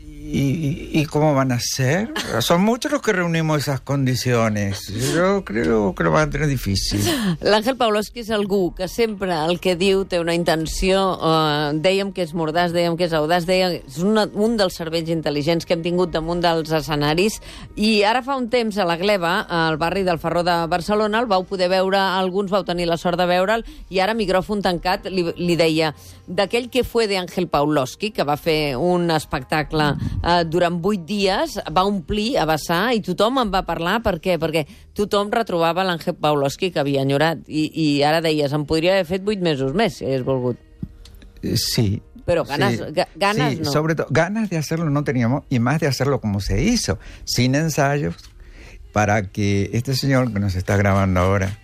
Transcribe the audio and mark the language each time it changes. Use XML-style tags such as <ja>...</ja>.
<es>¿Y cómo van a ser? Son muchos los que reunimos esas condiciones. Yo creo que lo van a tener difícil.</es> <ca>L'Àngel Pawlowski és algú que sempre el que diu té una intenció. Dèiem que és mordaç, dèiem que és audaç, dèiem que és un dels cervells intel·ligents que hem tingut damunt dels escenaris. I ara fa un temps a la Gleva, al barri del Ferró de Barcelona, el vau poder veure, alguns vau tenir la sort de veure'l, i ara, micròfon tancat, li deia d'aquell</ca> <es>que fue de</es> <ca>Ángel Pawlowski, que va fer un espectacle durant 8 dies, va omplir a vessar i tothom en va parlar. Per què? Perquè tothom retrobava l'Àngel Pawlowski que havia enyorat. I ara deies, em podria haver fet 8 mesos més, si hagués volgut. Sí. Però ganes, sí, ganes sí, no. Sobretot, ganes</ca> <es>de hacerlo no teníamos, y más de hacerlo como se hizo, sin ensayos, para que este señor que nos está grabando ahora,</es>